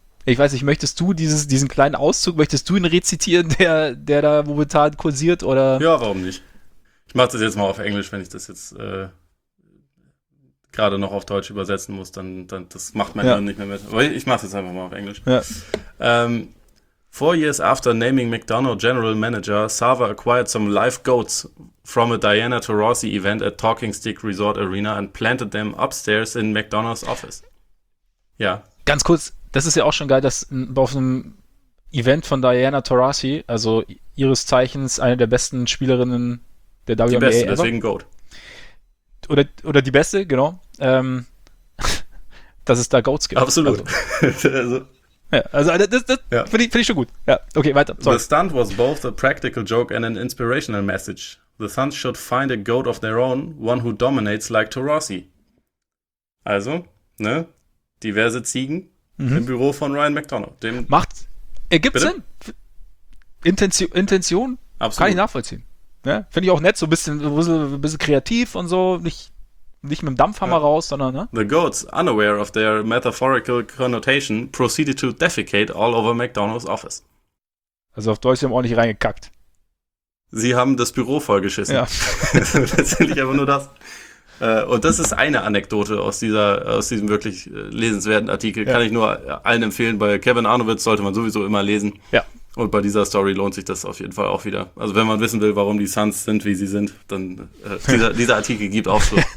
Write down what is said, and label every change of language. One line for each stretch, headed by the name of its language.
German: Ich weiß nicht, möchtest du diesen kleinen Auszug, möchtest du ihn rezitieren, der da momentan kursiert? Oder? Ja, warum nicht? Ich mache das jetzt mal auf Englisch, wenn ich das jetzt gerade noch auf Deutsch übersetzen muss, dann das macht mein Hirn ja nicht mehr mit. Aber ich mache es jetzt einfach mal auf Englisch. Ja.
English: Four years after naming McDonough general manager, Sava acquired some live goats from a Diana Taurasi event at Talking Stick Resort Arena and planted them upstairs in McDonoughs office.
German: Ja. Ganz kurz, das ist ja auch schon geil, dass auf einem Event von Diana Taurasi, also ihres Zeichens eine der besten Spielerinnen der WNBA. Die beste, deswegen Goat. Oder die beste, genau. dass es da Goats gibt. Absolut. Finde ich schon gut. Ja, okay, weiter.
English: Sorry. The stunt was both a practical joke and an inspirational message. The Suns should find a goat of their own, one who dominates like Taurasi.
German: Also, ne? Diverse Ziegen im Büro von Ryan McDonough. Dem macht. Ergibt Sinn. Intention? Absolut. Kann ich nachvollziehen. Ja, finde ich auch nett, so ein bisschen kreativ und so. Nicht mit dem Dampfhammer raus, sondern, ne?
English: The goats, unaware of their metaphorical connotation, proceeded to defecate all over McDonough's office.
German: Also auf Deutsch, haben ordentlich reingekackt. Sie haben das Büro vollgeschissen. Ja. Letztendlich einfach nur das. Und das ist eine Anekdote aus diesem wirklich lesenswerten Artikel. Ja. Kann ich nur allen empfehlen. Bei Kevin Arnowitz sollte man sowieso immer lesen. Ja. Und bei dieser Story lohnt sich das auf jeden Fall auch wieder. Also wenn man wissen will, warum die Suns sind, wie sie sind, dann dieser Artikel gibt auch so